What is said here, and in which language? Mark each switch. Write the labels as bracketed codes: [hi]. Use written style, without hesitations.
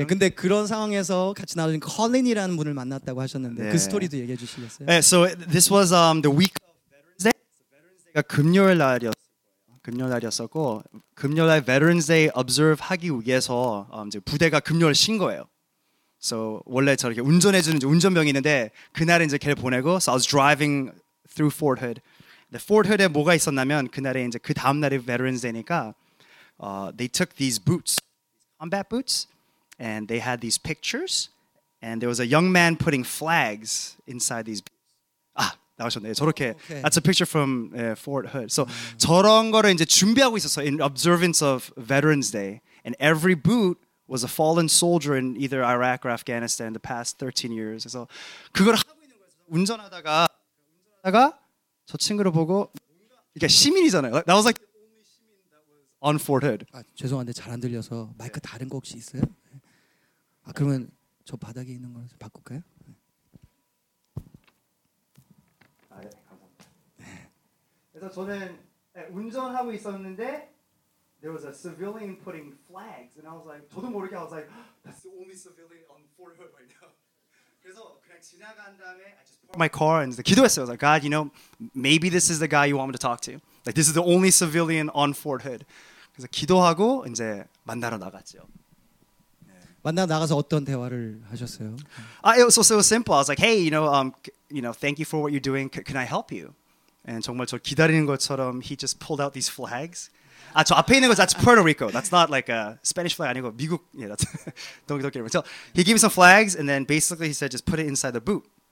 [ko] 예, 근데 그런 상황에서 같이 나눈 컬린이라는 분을 만났다고 하셨는데 yeah. 그 스토리도 얘기해 주시겠어요? [en] 예, so this was the week of Veterans Day. [ko] Veterans Day가 금요일 날이었어요. 금요일 날이었었고 금요일 날 Veterans Day observe 하기 위해서 이제 부대가 금요일 쉰 거예요. So 원래 저렇게 운전해 주는 운전병이 있는데 그날 이제 걔를 보내고 [en] so I was driving through Fort Hood. [ko] 근데 Fort Hood에 뭐가 있었냐면 그날에 이제 그 다음 날이 Veterans Day니까 [en] they took these boots, combat boots, and they had these pictures, and there was a young man putting flags inside these boots. [ko] 아 나오셨네. 저렇게 [en] oh, okay. That's a picture from Fort Hood. So [ko] 저런 거를 이제 준비하고 있었어 [en] in observance of Veterans Day, and every boot was a fallen soldier in either Iraq or Afghanistan in the past 13 years. [ko] 그래서 그걸 하고 있는 거예요. 운전하다가 저 친구를 보고 이게 시민이잖아요. [en] That was like the only 시민 that was on Fort Hood. [ko] 아, 죄송한데 잘 안 들려서 마이크 다른 거 혹시 있어요? 아, 그러면 저 바닥에 있는 걸 바꿀까요? 아, 예, 감사합니다. 그래서 저는 운전하고 있었는데 [en] there was a civilian putting flags and I was like [ko] 저도 모르게 [en] I was like that's the only civilian on Fort Hood right now. [ko] 그래서 그냥 지나간 다음에 [en] I just parked my car and [ko] 기도했어요. [en] I was like, God, you know, maybe this is the guy you want me to talk to. Like, this is the only civilian on Fort Hood. [ko] 그래서 기도하고 이제 만나러 나갔죠. 만나 나가서 어떤 대화를 하셨어요? [en] It was so simple. I was like, hey, you know, thank you for what you're doing. Can I help you? And [ko] 정말 저 기다리는 것처럼 [en] he just pulled out these flags. [ko] 아, 저 앞에 있는 거 [en] that's Puerto Rico. That's not like a Spanish flag [ko] 아니고 미국. [en] Yeah, that's don't get it. So he gave me some flags and then basically he said just put it inside the boot.